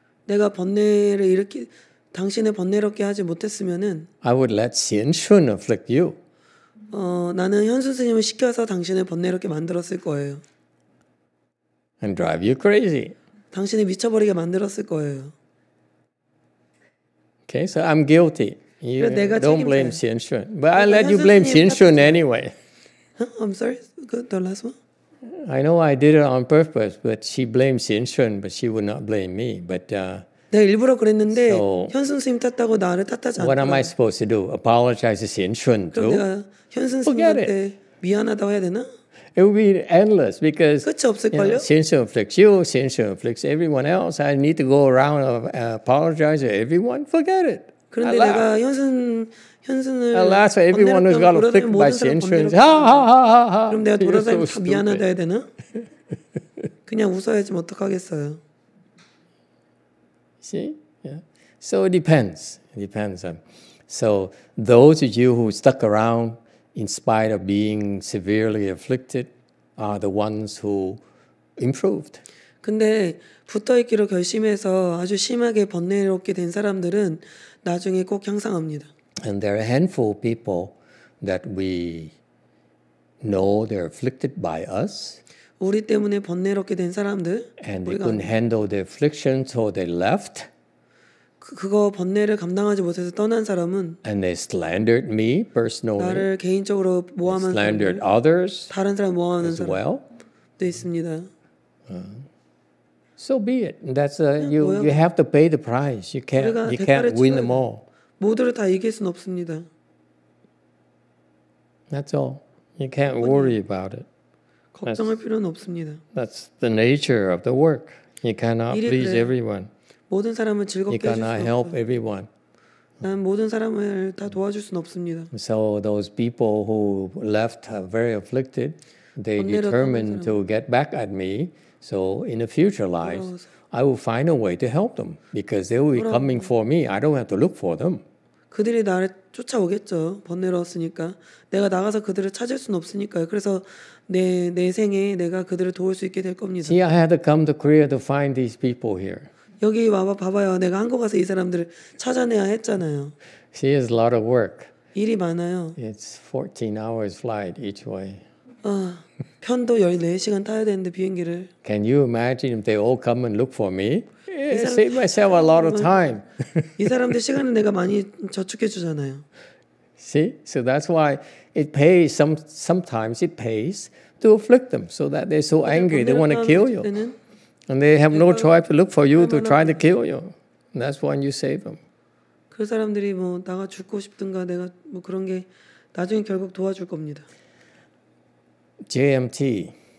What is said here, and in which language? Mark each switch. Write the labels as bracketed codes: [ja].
[ko] 내가 번뇌를 이렇게 당신을 번뇌롭게 하지 못했으면은 [en] I would let Xian Shun afflict you. [ko] 나는 현순 스님을 시켜서 당신을 번뇌롭게 만들었을 거예요. [en] And drive you crazy. [ko] 당신을 미쳐버리게 만들었을 거예요. [en] Okay, so I'm guilty. You don't [ko] 책임져요. [en] blame Xian Shun. But I let you blame Xian Shun anyway. Huh? I'm sorry, the last one? I know I did it on purpose, but she blamed Xian Shun, but she would not blame me. But, [ko] 내가 일부러 그랬는데 [en] so, [ko] 현승 스님 탓하고 나를 탓하지 않더라. [en] What am I supposed to do? Apologize to Xian Shun too? [ko] 그럼 내가 현승 스님한테 미안하다고 해야 되나? [en] It would be endless because [ko] 끝이 없을걸요? [en] Xian Shun afflicts you, Xian Shun afflicts everyone else. I need to go around apologize to everyone. Forget it. [ko] 그런데 [en] Alas. [ko] 내가 현승을 [en] Alas for everyone who's got afflicted by Xian Shun. [ko] 그럼 내가 돌아다니면 [en] so [ko] 다 미안하다 해야 되나? 그냥 웃어야지 뭐 어떡하겠어요? [en] See? Yeah. So it depends. It depends. So those of you who stuck around in spite of being severely afflicted are the ones who improved. [ko] 근데 붙어 있기로 결심해서 아주 심하게 번뇌롭게 된 사람들은 나중에 꼭 향상합니다. [en] And there are a handful of people that we know they're afflicted by us. [ko] 우리 때문에 번뇌롭게 된 사람들 [en] And they couldn't handle the affliction so they left. [ko] 그거 번뇌를 감당하지 못해서 떠난 사람은 [en] And they slandered me personally. [ko] 나를 개인적으로 모함한 [en] slandered others [ko] 다른 사람 모함하는 [en] as well. [ko] 사람도 있습니다. [en] So be it. That's you have to pay the price. You can't win them all. [ko] 모두를 다 이길 순 없습니다. [en] That's all. You can't worry about it. [ko] 걱정할 필요는 없습니다. [en] That's the nature of the work. You cannot please everyone. [ko] 모든 사람을 즐겁게 해줄 수 없어요. [en] help everyone. [ko] 난 모든 사람을 다 도와줄 순 없습니다. [en] So those people who left are very afflicted, they determined to get back at me. So in the future lives, I will find a way to help them because they will be coming for me. I don't have to look for them. [ko] 그들이 나를 쫓아오겠죠. 번뇌로웠으니까 내가 나가서 그들을 찾을 수는 없으니까요. 그래서 내 생에 내가 그들을 도울 수 있게 될 겁니다. [en] See, I had to come to Korea to find these people here. [ko] 여기 와봐 봐봐요. 내가 한국 가서 이 사람들을 찾아내야 했잖아요. [en] See, it's a lot of work. [ko] 일이 많아요. [en] It's 14 hours flight each way. [ko] 편도 14시간 타야 되는데 비행기를. [en] Can you imagine if they all come and look for me? Yeah, save myself a lot of time. [ko] 이 사람들 시간을 내가 많이 저축해 주잖아요. [en] See, so that's why it pays. Sometimes it pays to afflict them, so that they're so angry, they want to kill you, and they have no choice to look for you to try to kill you. And that's when you save them. [ko] 그 사람들이 뭐 나가 죽고 싶든가 내가 뭐 그런 게 나중에 결국 도와줄 겁니다. [en] JMT.